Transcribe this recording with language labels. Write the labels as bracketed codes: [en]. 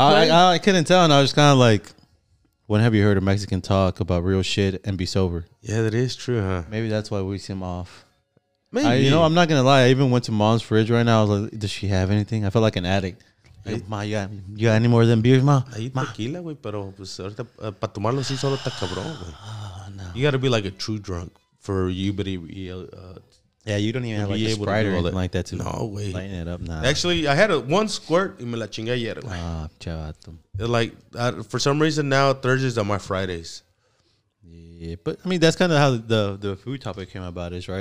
[en] I couldn't tell, and I was kind of like, When have you heard a Mexican talk about real shit and be sober? Yeah, that is true, huh? Maybe that's why we seem off. Maybe. You know, I'm not going to lie. I even went to mom's fridge right now. I was like, does she have anything? I felt like an addict. Like, ma, you got any more than beer, ma? Ma. [es] Tequila, güey, pero pues, ahorita, para tomarlo así solo está cabrón, güey. [en] You got to be like a true drunk for you, but yeah, you don't even have like a Sprite or anything like that to no, way. Lighten it up. Nah. Actually, I had one squirt [es] y me la chingué ayer. Ah, chavato. [en] Like, for some reason now, Thursdays are my Fridays. Yeah, but I mean, that's kind of how the food topic came about is, right?